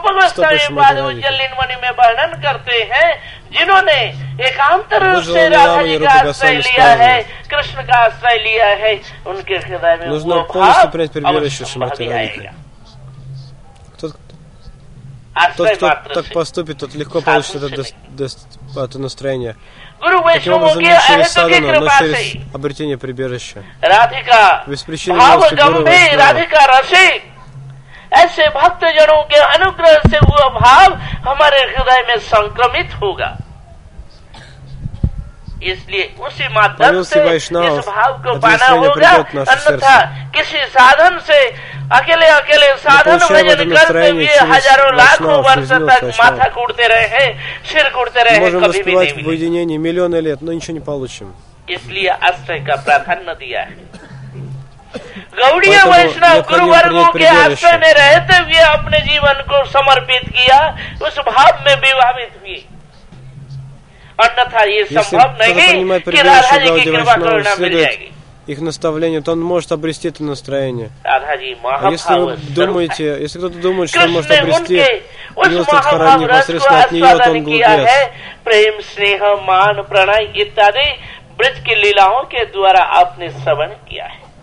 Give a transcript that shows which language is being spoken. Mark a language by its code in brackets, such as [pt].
[ru] чтобы Шримати Радхарани [hi] जिन्होंने एकांत रूप से राधा जी का आश्रय लिया है कृष्ण का आश्रय लिया है उनके हृदय में [ru] нужно полностью принять прибежище Шримати Радхи. Тот, кто так поступит, тот легко получит это настроение. Таким образом, не через садхану, но через обретение прибежища. Радхика, без причины милости Гуру Вайшнава. [hi] Радхика, Раши, ऐसे भक्तजनों के अनुग्रह से वह भाव हमारे हृदय में संक्रमित होगा इसलिए उसी माध्यम से इस भाव को पाना होगा अन्यथा किसी साधन से अकेले अकेले साधन भजन करते हुए हजारों लाखों वर्ष तक माथा कूटते रहे हैं सिर कूटते रहे हैं कभी भी नहीं मिलेगी मिलियन लेट [ru] миллионы лет, но ничего не получим. [hi] इसलिए आश्रय का प्राधान्य दिया है गौड़ीय वैष्णव गुरु वर्गों के आश्रय में रहते हुए अपने जीवन को समर्पित किया उस भाव में विवाहित हुए अन्यथा ये संभव नहीं कि राधा जी की कृपा करुणा मिल जाएगी [ru] их наставление, то он может обрести это настроение. А если вы думаете, если кто-то думает, что он может обрести милость от Харани непосредственно от нее, то он глупец.